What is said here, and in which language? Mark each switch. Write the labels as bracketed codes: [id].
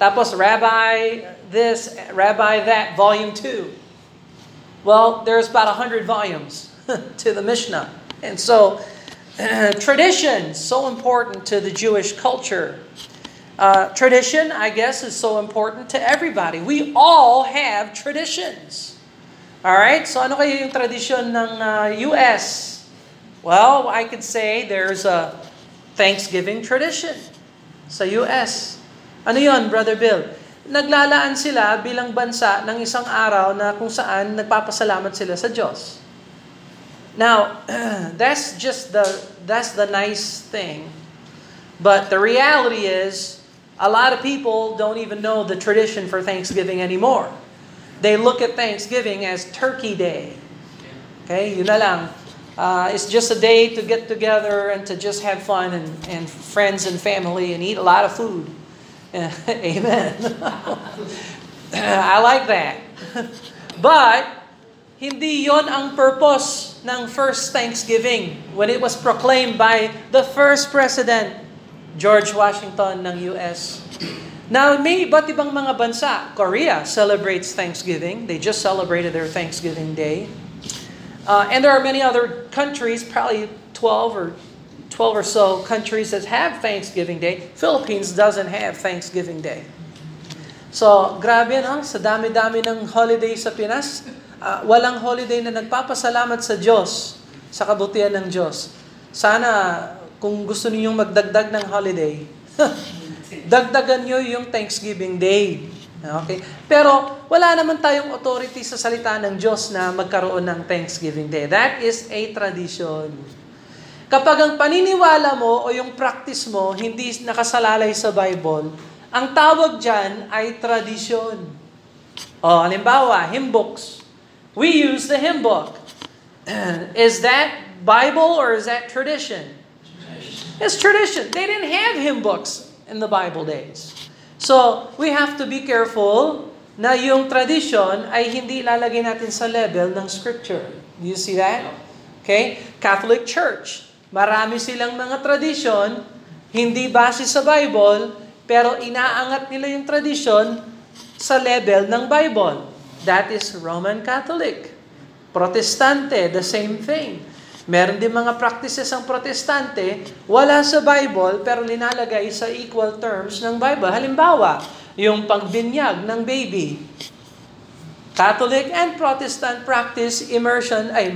[en] Tapos, Rabbi this, Rabbi that, volume 2. Well, there's about 100 volumes to the Mishnah. And so, tradition, so important to the Jewish culture. Tradition, I guess, is so important to everybody. We all have traditions. [tl] Alright, so ano kayo yung tradisyon ng U.S.? [en] Well, I could say there's a Thanksgiving tradition sa U.S. [tl] Ano yun, Brother Bill? Naglalaan sila bilang bansa ng isang araw na kung saan nagpapasalamat sila sa Diyos. [en] Now, that's just the nice thing. But the reality is, a lot of people don't even know the tradition for Thanksgiving anymore. They look at Thanksgiving as Turkey Day. Okay, [tl] yun na lang. [en] It's just a day to get together and to just have fun and friends and family and eat a lot of food. Amen. I like that. But [tl] hindi yon ang purpose ng [en] first Thanksgiving when it was proclaimed by the first president, George Washington ng US. [tl] Now, may iba't ibang mga bansa. [en] Korea celebrates Thanksgiving. They just celebrated their Thanksgiving Day. And there are many other countries, probably 12 or so countries that have Thanksgiving Day. Philippines doesn't have Thanksgiving Day. [tl] So, grabe no? Sa dami-dami ng holiday sa Pinas, walang holiday na nagpapasalamat sa Diyos, sa kabutihan ng Diyos. Sana, kung gusto ninyong magdagdag ng holiday, dagdagan nyo yung Thanksgiving Day. Okay? Pero, wala naman tayong authority sa salita ng Diyos na magkaroon ng Thanksgiving Day. [en] That is a tradition. [tl] Kapag ang paniniwala mo o yung practice mo hindi nakasalalay sa Bible, ang tawag dyan ay tradisyon. O, halimbawa, [en] hymn books. We use the hymn book. Is that Bible or is that tradition? It's tradition. They didn't have hymn books in the Bible days. So, we have to be careful [tl] na yung tradition ay hindi ilalagay natin sa [en] level ng scripture. Do you see that? Okay? Catholic Church. [tl] Marami silang mga tradisyon, hindi base sa Bible, pero inaangat nila yung tradisyon sa level ng Bible. [en] That is Roman Catholic. Protestante, the same thing. [tl] Meron din mga practices ang Protestante, wala sa Bible, pero linalagay sa equal terms ng Bible. Halimbawa, yung pagbinyag ng baby. [en] Catholic and Protestant practice immersion.